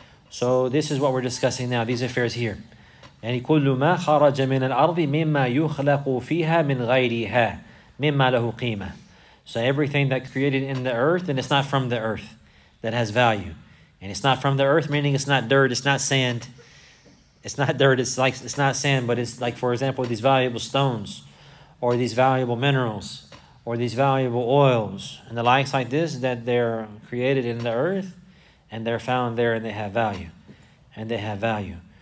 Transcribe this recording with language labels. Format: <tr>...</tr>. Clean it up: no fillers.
<en>So this is what we're discussing now, these affairs here.</en> <ar>يعني كل ما خرج من الأرض مما يخلق فيها من غيرها مما له قيمة.</ar> <en>So everything that created in the earth, and it's not from the earth, that has value. And it's not from the earth, meaning it's not dirt, it's not sand. It's not sand, but it's like, for example, these valuable stones, or these valuable minerals, or these valuable oils and the likes like this, that they're created in the earth and they're found there and they have value. And they have value.</en>